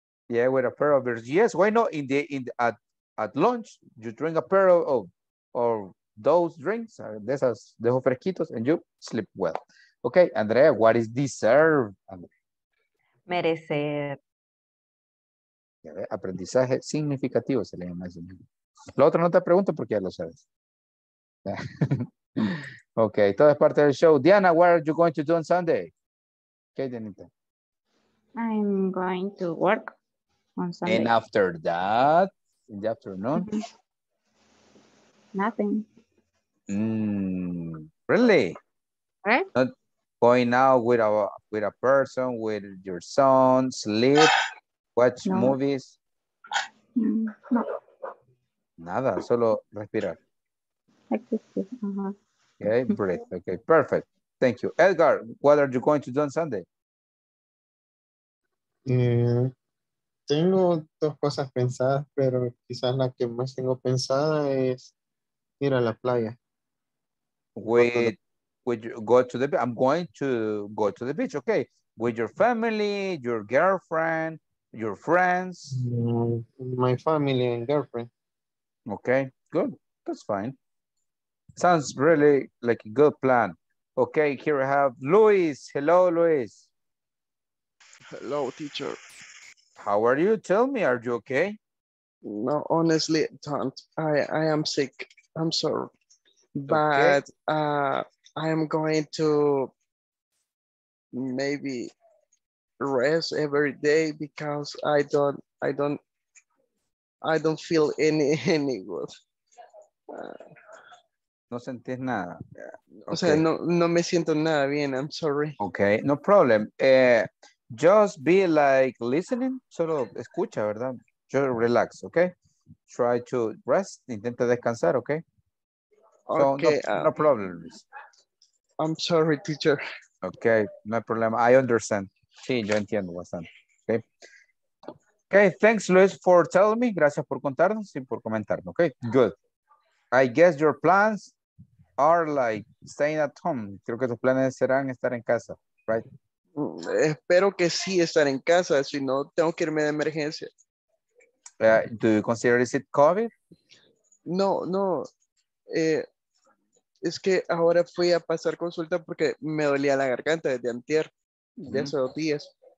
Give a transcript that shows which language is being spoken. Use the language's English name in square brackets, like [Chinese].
[English] Yeah, with a pair of beers. Yes, why not? At lunch, you drink a pair of those drinks, [Spanish] de esas, de esos fresquitos, [English] and you sleep well. Okay, Andrea, what is deserve? [Spanish] Merecer. Aprendizaje significativo se le llama eso. Lo otro no te pregunto porque ya lo sabes. Okay, todo es parte del show. [English] Diana, what are you going to do on Sunday? Okay, Dianita. I'm going to work on Sunday. And after that, in the afternoon? Nothing. Really? Right? Not going out with a person, with your son, sleep, watch movies? No. [Spanish] Nada, solo respirar. Uh-huh. [English] Okay, breathe. Okay, perfect. Thank you. Edgar, what are you going to do on Sunday? [Spanish] Tengo dos cosas pensadas, pero quizás la que más tengo pensada es ir a la playa. [English] I'm going to go to the beach, okay. With your family, your girlfriend, your friends. My family and girlfriend. Okay, good. That's fine. Sounds really like a good plan. Okay, here we have Luis. Hello, Luis. Hello, teacher. How are you? Tell me, are you okay? No, honestly, don't. I am sick. I'm sorry. But okay. I am going to maybe rest every day because I don't feel any good. [Spanish] No sentís nada. Okay. O sea, no me siento nada bien. [English] I'm sorry. Okay, no problem. Just be like listening. [Spanish] Solo escucha, ¿verdad? [English] Just relax, okay? Try to rest. [Spanish] Intenta descansar, okay? [English] Okay. So, no problem. I'm sorry, teacher. Okay, no problem. I understand. [Spanish] Sí, yo entiendo bastante. [English] Okay. Okay, thanks, Luis, for telling me. [Spanish] Gracias por contarnos y por comentarnos, [English] okay? Good. I guess your plans are like staying at home. [Spanish] Creo que tus planes serán estar en casa, right? Espero que sí estar en casa, si no tengo que irme de emergencia. [English] Do you consider is it COVID? No. [Spanish] Es que ahora fui a pasar consulta porque me dolía la garganta desde antier, de hace dos días.